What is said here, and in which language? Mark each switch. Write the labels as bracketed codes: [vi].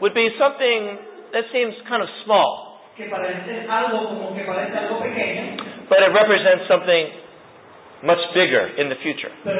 [en] would be something that seems kind of small. [es] Que parece algo como que parece algo pequeño. [en] But it represents something much bigger in the future.